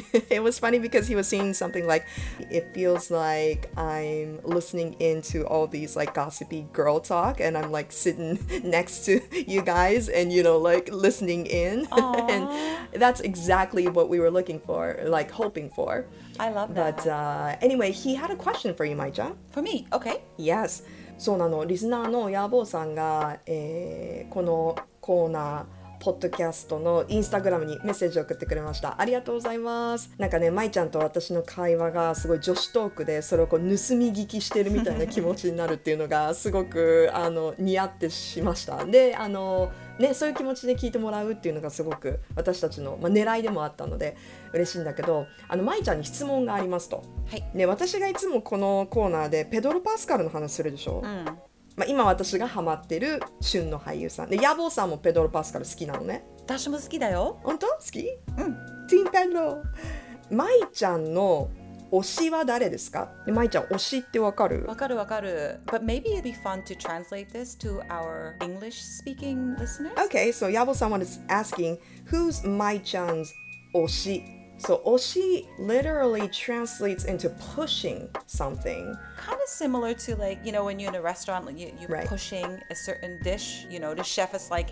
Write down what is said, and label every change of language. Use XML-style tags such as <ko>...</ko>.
<en>It was funny because he was saying something like, it feels like I'm listening into all these like gossipy girl talk and I'm like sitting next to you guys and you know, like listening in. and that's exactly what we were looking for, like hoping for. I love that. But anyway, he had a question for you, Maija. For me? Okay. Yes.</en> <ja>そうなの。リスナーのヤボーさんが、このコーナー、ポッドキャストのインスタグラムにメッセージを送ってくれました。ありがとうございます。なんかね、まいちゃんと私の会話がすごい女子トークで、それをこう盗み聞きしてるみたいな気持ちになるっていうのがすごく似合ってしました。で、ね、そういう気持ちで聞いてもらうっていうのがすごく私たちの、狙いでもあったので嬉しいんだけど、まいちゃんに質問がありますと、はい、ね、私がいつもこのコーナーでペドロ・パスカルの話するでしょ、うん、今私がハマってる旬の俳優さんで、ヤボーさんもペドロ・パスカル好きなのね。私も好きだよ。本当好き、うん、ティン・ペンロー。マイちゃんの推しは誰ですか？で、マイちゃん推しってわかる？わかるわかる。</ja> <en>But maybe it'd be fun to translate this to our English speaking listeners. Okay, so ヤボーさんは asking who's Mai Chan's 推し。 So 推し literally translates into pushing something Kind of similar to like, you know, when you're in a restaurant, like you're right. pushing a certain dish, you know, the chef is like,</en>